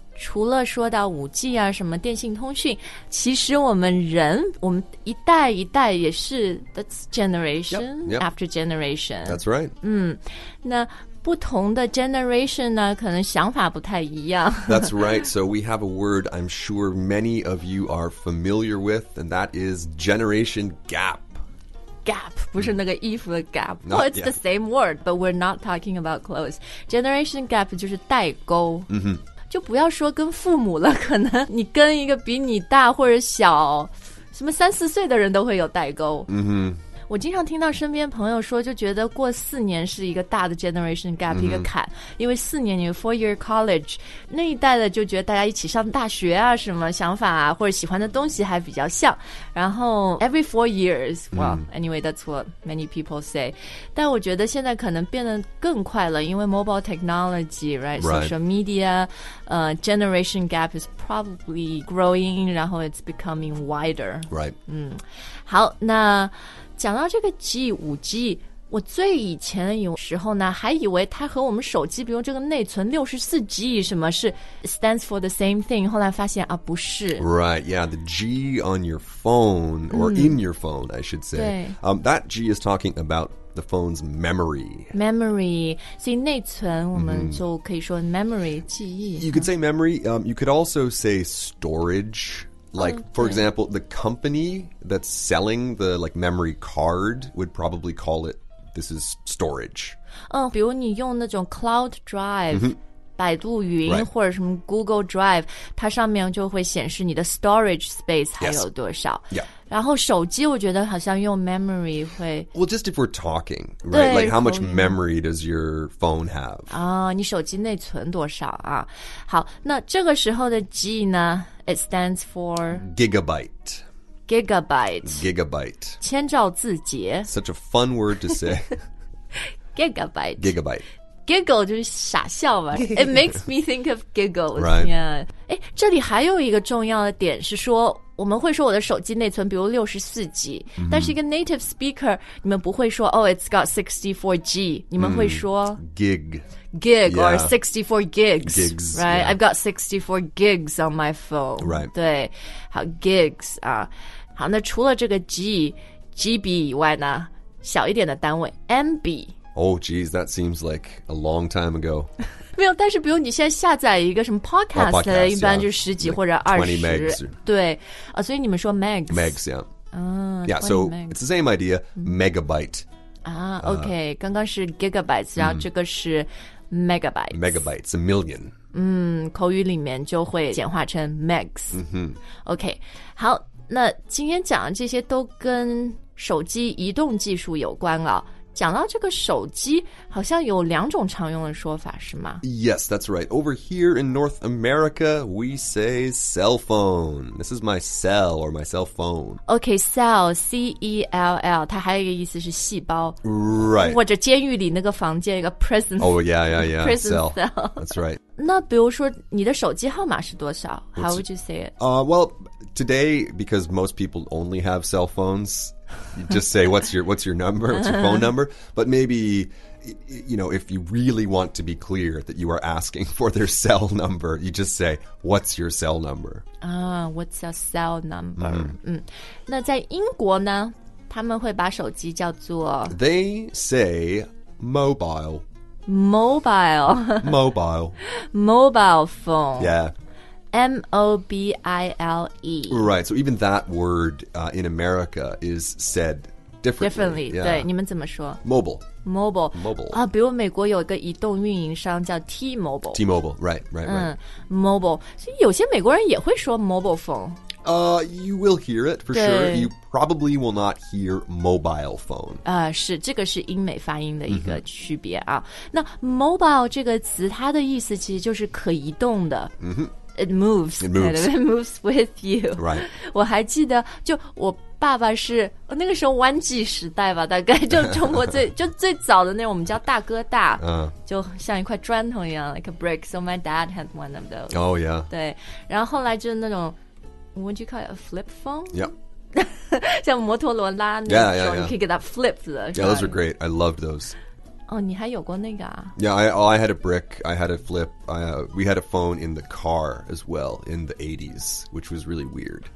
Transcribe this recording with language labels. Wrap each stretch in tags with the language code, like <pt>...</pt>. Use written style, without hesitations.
<zh>除了说到 5G 啊什么电信通讯其实我们人我们一代一代也是</zh> <en>That's generation yep, yep. after generation That's right、</en> <zh>那不同的 generation 呢可能想法不太一样</zh> <en>That's right, so we have a word I'm sure many of you are familiar with And that is generation gap Gap,</en> <zh>不是那个衣服的</zh> <en>gap Well, it's the same word, but we're not talking about clothes Generation gap</en> <zh>就是代沟、 mm-hmm. 就不要说跟父母了可能你跟一个比你大或者小什么三四岁的人都会有代沟、 mm-hmm. 我经常听到身边朋友说就觉得过四年是一个大的 generation gap、mm-hmm. 一个坎因为四年你 four year college 那一代的就觉得大家一起上大学啊什么想法啊或者喜欢的东西还比较像然后</zh> <en>every four years well、</en> <zh>mm-hmm.</zh> <en>anyway that's what many people say</en> <zh>但我觉得现在可能变得更快了因为</zh> <en>mobile technology right, right. social media、generation gap is probably growing</en> <zh>然后</zh> <en>it's becoming wider right、</en> <zh>好那讲到这个 G, 5G, 我最以前有时候呢还以为它和我们手机比如这个内存 64G 什么是</zh> <en>stands for the same thing,</en> <zh>后来发现啊不是。</zh> <en>Right, yeah, the G on your phone, or in your phone, I should say.</en> <zh>对。</zh> <en>That G is talking about the phone's memory.</en> <zh>Memory, 所以内存我们就可以说 memory,、mm-hmm. 记忆。</zh> <en>You could say memory,、you could also say storage,Like, for example, the company that's selling the, like, memory card would probably call it, this is storage.</en> <zh>比如你用那种 cloud drive,、 mm-hmm. 百度云、</zh> <en>right.</en> <zh>或者什么 Google Drive, 它上面就会显示你的 storage space 还有多少。</zh> <en>Yes. Yeah.</en> <zh>然后手机我觉得好像用 memory 会</zh> <en>Well, just if we're talking, right? Like how much memory does your phone have?</en> <zh>啊、你手机内存多少啊？好，那这个时候的 G 呢</zh> <en>It stands for Gigabyte Gigabyte Gigabyte</en> <zh>千兆字节</zh> <en>Such a fun word to say Gigabyte Gigabyte Giggle</en> <zh>就是傻笑吧</zh> <en>It makes me think of giggles、 right. yeah.</en> <zh>这里还有一个重要的点是说我们会说我的手机内存比如 64G、 mm-hmm. 但是一个 native speaker 你们不会说</zh> <en>Oh, it's got 64G</en> <zh>你们会说、</zh> <en>Gig Gig、yeah. or 64 gigs, gigs Right,、 yeah. I've got 64 gigs on my phone Right</en> <zh>对好 gigs、好那除了这个 G GB 以外呢小一点的单位 MB</zh> <en>Oh geez, that seems like a long time ago</en> <zh>没有但是比如你现在下载一个什么 podcast,</zh> <en>podcast</en> <zh>一般就是十几或者二十、</zh> <en>yeah, like、</en> <zh>对、所以你们说 megs</zh> <en>Megs, yeah、 Yeah, so it's the same idea,、megabyte、</en> <zh>OK, 刚刚是 gigabytes、然后这个是 megabytes</zh> <en>Megabytes, a million</en> <zh>口语里面就会简化成 megs、OK, 好那今天讲的这些都跟手机移动技术有关了讲到这个手机好像有两种常用的说法是吗</zh> <en>Yes, that's right. Over here in North America, we say cell phone. This is my cell or my cell phone.</en> <zh>Okay, cell, C-E-L-L, 它还有一个意思是细胞。</zh> <en>Right.</en> <zh>或者监狱里那个房间一个 prison</zh> <en>cell. Oh, yeah, yeah, yeah. Prison cell. That's right.</en> <zh>那比如说你的手机号码是多少</zh> <en>How would you say it? Well, today, because most people only have cell phones,You just say, what's your phone number? But maybe, you know, if you really want to be clear that you are asking for their cell number, you just say, what's your cell number? Ah, what's your cell number? Mm-hmm.</en> <zh>那在英国呢,他们会把手机叫做...</zh> <en>They say mobile. Mobile. Mobile. Mobile phone. Yeah. M-O-B-I-L-E. Right, so even that word、in America is said differently. Differently,、yeah.</en> <zh>对，你们怎么说</zh> <en>Mobile. Mobile. Mobile.、</en> <zh>比如美国有一个移动运营商叫 T-Mobile.</zh> <en>T-Mobile, right, right, right.、 Mobile.</en> <zh>所以有些美国人也会说 mobile phone.、</zh> <en>You will hear it, for sure. You probably will not hear mobile phone.、</en> <zh>是，这个是英美发音的一个区别啊。 Mm-hmm. 那 mobile 这个词它的意思其实就是可移动的。 Mm-hmm.</zh> <en>It moves. It moves. It moves with you. Right.</en> <zh>我还记得就我爸爸是那个时候弯机时代吧大概就中国最就最早的那种我们叫大哥大、就像一块砖头一样</zh> <en>like a brick. So my dad had one of those. Oh yeah.</en> <zh>对然后后来就那种</zh> <en>would you call it a flip phone? Yep. 像摩托罗拉那种 yeah, yeah, yeah. You can get that flipped. Yeah, those are great. I loved those.</en> <zh>Oh, 你还有过那个啊?</zh> <en>Yeah, I had a brick, I had a flip, we had a phone in the car as well, in the 80s, which was really weird.</en>